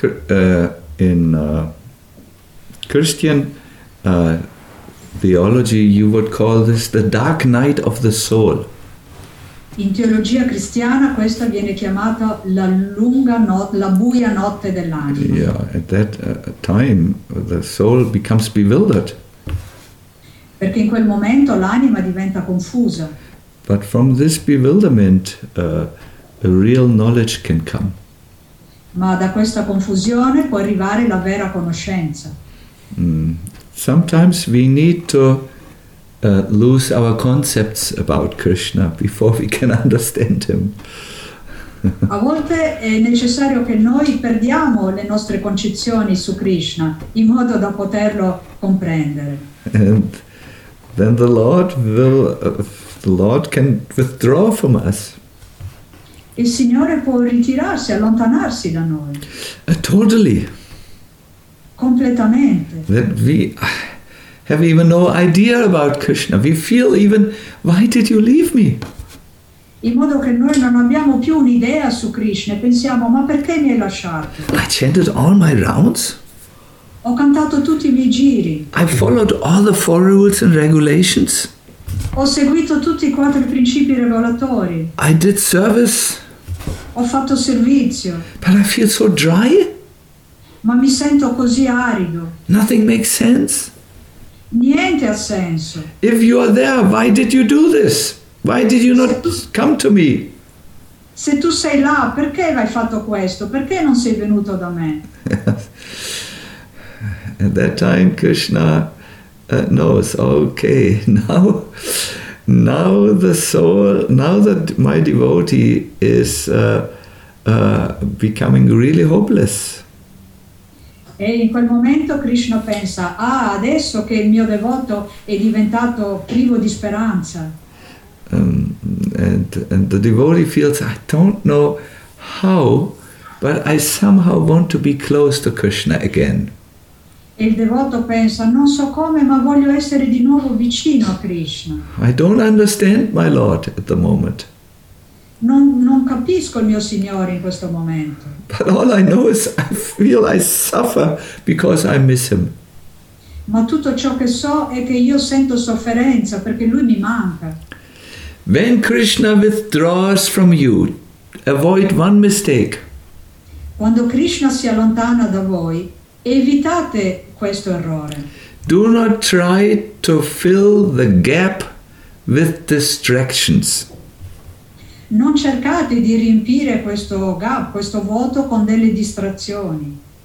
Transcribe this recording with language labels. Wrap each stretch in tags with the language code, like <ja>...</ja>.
<en>In Christian theology, you would call this the dark night of the soul.</en> <it>In teologia cristiana, questa viene chiamata la lunga notte, la buia notte dell'anima.</it> <en>Yeah, at that time, the soul becomes bewildered.</en> <it>Perché in quel momento l'anima diventa confusa.</it> <en>But from this bewilderment, a real knowledge can come.</en> <it>Ma da questa confusione può arrivare la vera conoscenza.</it> <en>Sometimes we need to lose our concepts about Krishna before we can understand him.</en> <it>A volte è necessario che noi perdiamo le nostre concezioni su Krishna in modo da poterlo comprendere.</it> <en>And then the Lord can withdraw from us.</en> <it>Il Signore può ritirarsi, allontanarsi da noi.</it> <en>Totally.</en> <it>Completamente.</it> <en>That we have even no idea about Krishna. We feel even, why did you leave me?</en> <it>In modo che noi non abbiamo più un'idea su Krishna, pensiamo, ma perché mi hai lasciato?</it> <en>I chanted all my rounds.</en> <it>Ho cantato tutti i miei giri.</it> <en>I followed all the four rules and regulations.</en> <it>Ho seguito tutti i quattro principi regolatori.</it> <en>I did service.</en> <it>Ho fatto servizio.</it> <en>But I feel so dry.</en> <it>Ma mi sento così arido.</it> <en>Nothing makes sense.</en> <it>Niente ha senso.</it> <en>If you are there, why did you do this? Why did you not come to me?</en> <it>Se tu sei là, perché hai fatto questo? Perché non sei venuto da me?</it> <en>At that time, Krishna knows. Okay, now the soul, now that my devotee is becoming really hopeless.</en> <it>E in quel momento Krishna pensa: ah, adesso che il mio devoto è diventato privo di speranza.</it> <en>And the devotee feels, I don't know how, but I somehow want to be close to Krishna again.</en> <it>Il devoto pensa, non so come, ma voglio essere di nuovo vicino a Krishna.</it> <en>I don't understand my Lord at the moment.</en> <it>Non capisco il mio Signore in questo momento.</it> <en>But all I know is I feel I suffer because I miss him.</en> <it>Ma tutto ciò che so è che io sento sofferenza perché lui mi manca.</it> <en>When Krishna withdraws from you, avoid one mistake.</en> <it>Quando Krishna si allontana da voi, evitate questo errore.</it> <en>Do not try to fill the gap with distractions.</en> <it>Non cercate di riempire questo gap, questo vuoto con delle distrazioni.</it>